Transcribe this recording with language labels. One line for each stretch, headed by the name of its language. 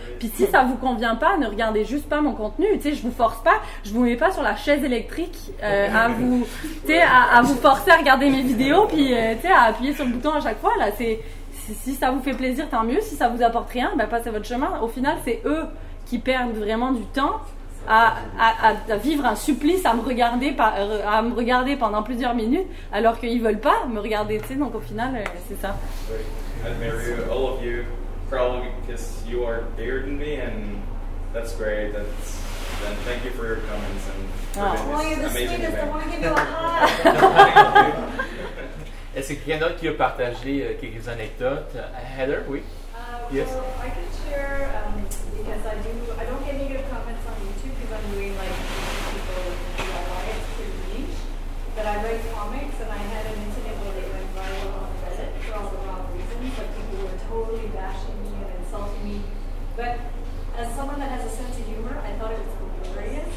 French: Puis si ça vous convient pas, ne regardez juste pas mon contenu. Tu sais, je vous force pas, je vous mets pas sur la chaise électrique à vous forcer à regarder mes vidéos, puis tu sais, à appuyer sur le bouton à chaque fois. Là, c'est si ça vous fait plaisir, tant mieux. Si ça vous apporte rien, ben passez votre chemin. Au final, c'est eux qui perdent vraiment du temps. C'est à vivre un supplice, à me regarder pendant plusieurs minutes, alors qu'ils ne veulent pas me regarder, tu sais, donc au final, c'est ça.
English: I admire you, all of you, probably because you are bigger than me, and that's great, and thank you for your comments, and for being this amazing event. Well, you're the sweetest, I want to give you a hug.
French: Est-ce qu'il y a d'autres qui ont partagé quelques anecdotes? Heather, oui?
English: Yes. So I can share, because I don't get any good comments on YouTube because I'm doing like people DIY, it's pretty niche. But I write comics and I had an internet where they went viral on Reddit for all the wrong reasons. Like people were totally bashing me and insulting me. But as someone that has a sense of humor, I thought it was hilarious.